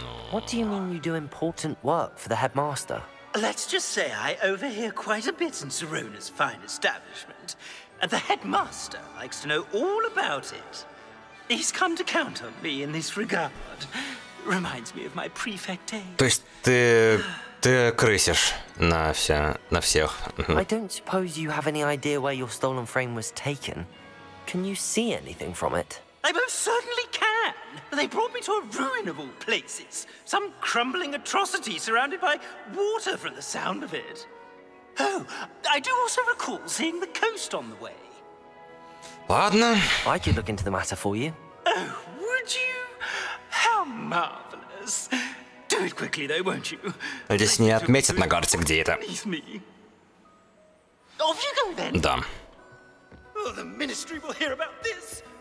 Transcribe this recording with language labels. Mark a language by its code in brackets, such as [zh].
[en] What do you mean you do important work for the headmaster? Let's just say I overhear quite a bit in Serona's fine establishment. And the headmaster likes to know all about it. He's come to count on me in this regard. Reminds me of my prefect days. [ru] То есть ты крысишь на всех. [en] I don't suppose you have any idea where your stolen frame was taken. Can you see anything from it? I most certainly can. They brought me to a ruin of all places. Some crumbling atrocity surrounded by water from the sound of it. Oh, I do also recall seeing the coast on the way. [ru] Ладно. [en] I could look into the matter for you. Oh, would you? How marvelous. Do it quickly, though, won't you? [ru] Здесь не отметят на карте, где это. [en] Off you go, then. [ru] Да. [en] Oh, the Ministry will hear about this.